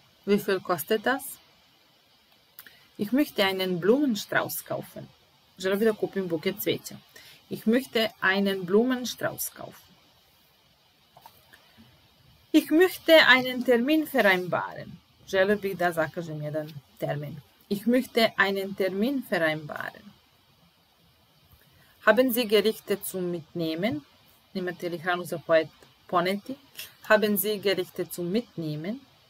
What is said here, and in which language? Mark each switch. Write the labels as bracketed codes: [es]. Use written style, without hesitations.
[de] Wie viel kostet das? Ich möchte einen Blumenstrauß kaufen. [sr] Želim da kupim buket cveća. [de] Ich möchte einen Blumenstrauß kaufen. Ich möchte einen Termin vereinbaren. [sr] Želio bih da zakažem jedan termin. [de] Ich möchte einen Termin vereinbaren. Haben Sie Gerichte zum Mitnehmen? [sr] Imate li hranu za poneti? [de] Haben Sie Gerichte zum Mitnehmen?